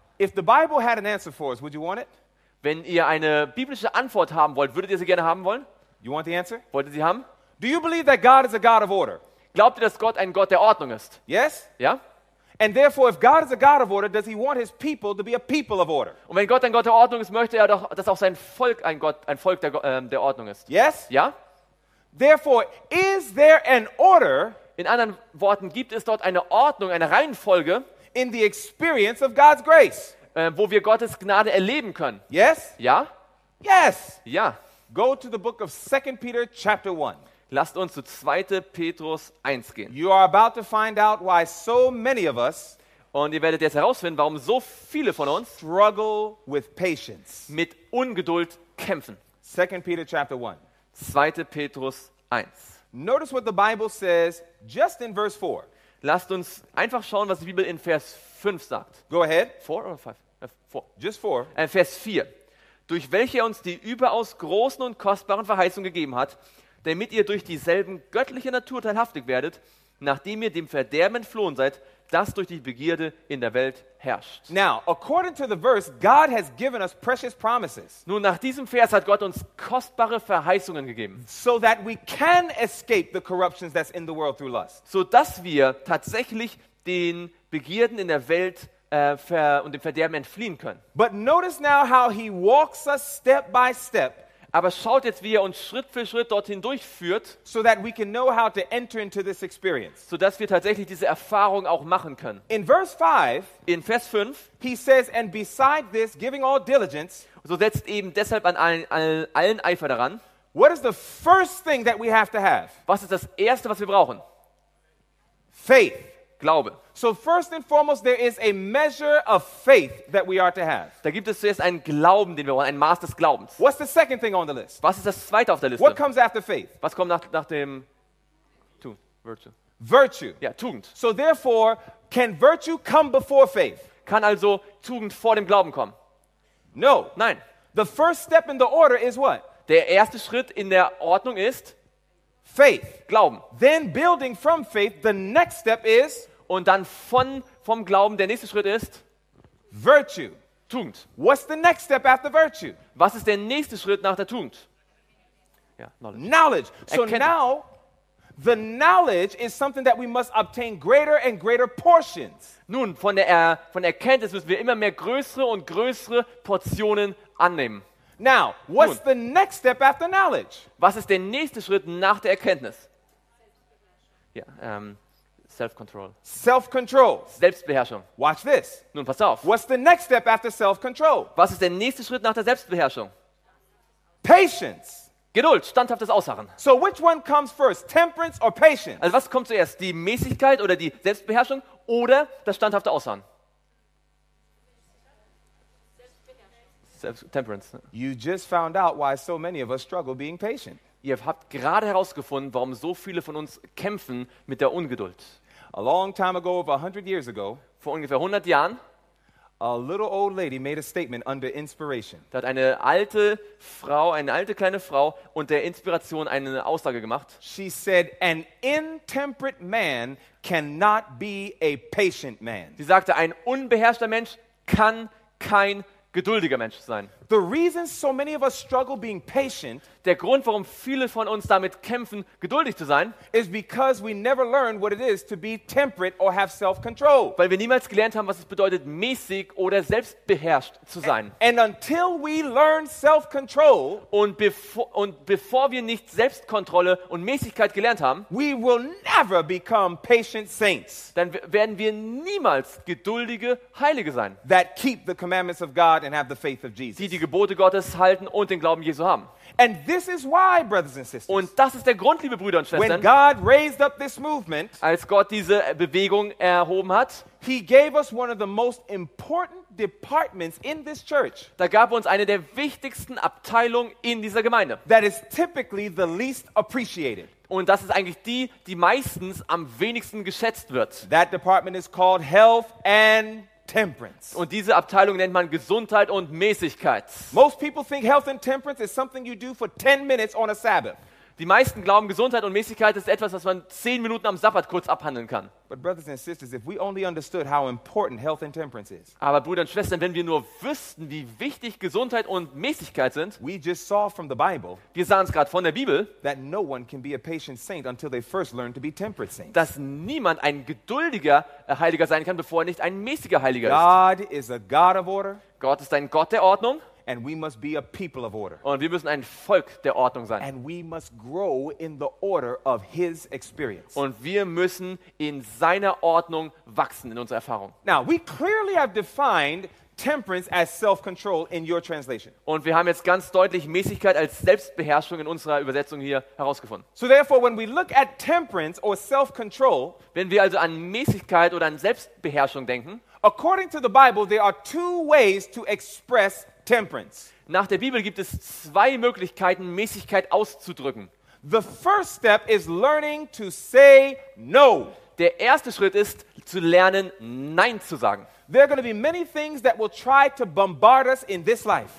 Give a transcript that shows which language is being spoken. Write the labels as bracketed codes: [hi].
[en] If the Bible had an answer for us, would you want it? [de] Wenn ihr eine biblische Antwort haben wollt, würdet ihr sie gerne haben wollen? [en] You want the answer? [de] Wollt ihr sie haben? [en] Do you believe that God is a God of order? [de] Glaubt ihr, dass Gott ein Gott der Ordnung ist? [en] Yes? [de] Ja? [en] And therefore if God is a God of order, does he want his people to be a people of order? [de] Und wenn Gott ein Gott der Ordnung ist, möchte er doch, dass auch sein Volk ein Volk der Ordnung ist. [en] Yes? [de] Ja? [en] Therefore is there an order? [de] In anderen Worten, gibt es dort eine Ordnung, eine Reihenfolge [en] in the experience of God's grace? [de] Wo wir Gottes Gnade erleben können. [en] Yes? [de] Ja? [en] Yes. [de] Ja. [en] Go to the book of 2 Peter chapter 1. [de] Lasst uns zu 2. Petrus 1 gehen. [en] You are about to find out why so many of us, [de] und ihr werdet jetzt herausfinden, warum so viele von uns [en] struggle with patience, [de] mit Ungeduld kämpfen. [en] 2 Peter chapter 1. [de] 2. Petrus 1. [en] Notice what the Bible says just in verse 4. [de] Lasst uns einfach schauen, was die Bibel in Vers 5 sagt. [en] Go ahead. [de] 4 oder 5? 4. [en] Just 4. [de] Vers 4. Durch welche er uns die überaus großen und kostbaren Verheißungen gegeben hat, damit ihr durch dieselben göttliche Natur teilhaftig werdet, nachdem ihr dem Verderben entflohen seid, das durch die Begierde in der Welt herrscht. [en] Now, according to the verse, God has given us precious promises. [de] Nun, nach diesem Vers hat Gott uns kostbare Verheißungen gegeben. [en] So that we can escape the corruptions that's in the world through lust. [de] So dass wir tatsächlich den Begierden in der Welt und dem Verderben entfliehen können. [en] But notice now how he walks us step by step. [de] Aber schaut jetzt, wie er uns Schritt für Schritt dorthin durchführt, [en] so that we can know how to enter into this experience, [de] so dass wir tatsächlich diese Erfahrung auch machen können. [en] In verse 5, [de] in Vers 5, [en] he says, and beside this, giving all diligence, [de] so setzt eben deshalb an allen Eifer daran. [en] What is the first thing that we have to have? [de] Was ist das Erste, was wir brauchen? [en] Faith. [de] Glaube. [en] So first and foremost, there is a measure of faith that we are to have. [de] Da gibt es zuerst einen Glauben, den wir wollen, ein Maß des Glaubens. [en] What's the second thing on the list? [de] Was ist das Zweite auf der Liste? [en] What comes after faith? [de] Was kommt nach dem Tugend? [en] Virtue. Virtue. [de] Ja, Tugend. [en] So therefore, can virtue come before faith? [de] Kann also Tugend vor dem Glauben kommen? [en] No. [de] Nein. [en] The first step in the order is what? [de] Der erste Schritt in der Ordnung ist [en] faith. [de] Glauben. [en] Then building from faith, the next step is. [de] Und dann vom Glauben, der nächste Schritt ist [en] virtue. [de] Tugend. [en] What's the next step after virtue? [de] Was ist der nächste Schritt nach der Tugend? Ja, [en] knowledge. [de] Erkenntnis. [en] So now the knowledge is something that we must obtain greater and greater portions. [de] Nun, von der Erkenntnis müssen wir immer mehr größere und größere Portionen annehmen. [en] Now, what's the next step after knowledge? [de] Was ist der nächste Schritt nach der Erkenntnis? [en] Ja, self-control. Self-control. [de] Selbstbeherrschung. [en] Watch this. [de] Nun, pass auf. [en] What's the next step after self-control? [de] Was ist der nächste Schritt nach der Selbstbeherrschung? [en] Patience. [de] Geduld, standhaftes Ausharren. [en] So which one comes first, temperance or patience? [de] Also was kommt zuerst, die Mäßigkeit oder die Selbstbeherrschung oder das standhafte Ausharren? [en] Temperance. You just found out why so many of us struggle being patient. [de] Ihr habt gerade herausgefunden, warum so viele von uns kämpfen mit der Ungeduld. [en] A long time ago, over 100 years ago, [de] vor ungefähr 100 Jahren, [en] a little old lady made a statement under inspiration. [de] Da hat eine alte Frau, eine alte kleine Frau unter Inspiration eine Aussage gemacht. [en] She said, an intemperate man cannot be a patient man. [de] Sie sagte, ein unbeherrschter Mensch kann kein geduldiger Mensch sein. [en] The reason so many of us struggle being patient, [de] der Grund, warum viele von uns damit kämpfen, geduldig zu sein, [en] is because we never learned what it is to be temperate or have self-control. [de] Weil wir niemals gelernt haben, was es bedeutet, mäßig oder selbstbeherrscht zu sein. [en] And until we learn self-control, [de] und bevor wir nicht Selbstkontrolle und Mäßigkeit gelernt haben, [en] we will never become patient saints. [de] Dann werden wir niemals geduldige Heilige sein. [en] That keep the commandments of God and have the faith of Jesus. [de] Die Gebote Gottes halten und den Glauben Jesu haben. [en] And this is why, brothers and sisters, [de] und das ist der Grund, liebe Brüder und Schwestern, [en] when God raised up this movement, [de] als Gott diese Bewegung erhoben hat, [en] he gave us one of the most important departments in this church. [de] Da gab uns eine der wichtigsten Abteilungen in dieser Gemeinde. [en] That is typically the least appreciated. [de] Und das ist eigentlich die, die meistens am wenigsten geschätzt wird. [en] That department is called Health and Temperance. [de] Und diese Abteilung nennt man Gesundheit und Mäßigkeit. [en] Most people think health and temperance is something you do for 10 minutes on a Sabbath. [de] Die meisten glauben, Gesundheit und Mäßigkeit ist etwas, was man 10 Minuten am Sabbat kurz abhandeln kann. [en] But brothers and sisters, if we only understood how important health and temperance is. [de] Aber Brüder und Schwestern, wenn wir nur wüssten, wie wichtig Gesundheit und Mäßigkeit sind. [en] We just saw from the Bible. [de] Wir sahen es gerade von der Bibel. [en] That no one can be a patient saint until they first learn to be temperate saints. [de] Dass niemand ein geduldiger Heiliger sein kann, bevor er nicht ein mäßiger Heiliger ist. [en] God is a God of order. [de] Gott ist ein Gott der Ordnung. [en] And we must be a people of order. [de] Und wir müssen ein Volk der Ordnung sein. [en] And we must grow in the order of his experience. [de] Und wir müssen in seiner Ordnung wachsen in unserer Erfahrung. [en] Now, we clearly have defined temperance as self-control in your translation. [de] Und wir haben jetzt ganz deutlich Mäßigkeit als Selbstbeherrschung in unserer Übersetzung hier herausgefunden. [en] So therefore when we look at temperance or self-control, [de] wenn wir also an Mäßigkeit oder an Selbstbeherrschung denken, [en] according to the Bible there are two ways to express temperance. [de] Nach der Bibel gibt es zwei Möglichkeiten, Mäßigkeit auszudrücken. [en] The first step is learning to say no. [de] Der erste Schritt ist zu lernen, Nein zu sagen. [en] There are going to be many things that will try to bombard us in this life.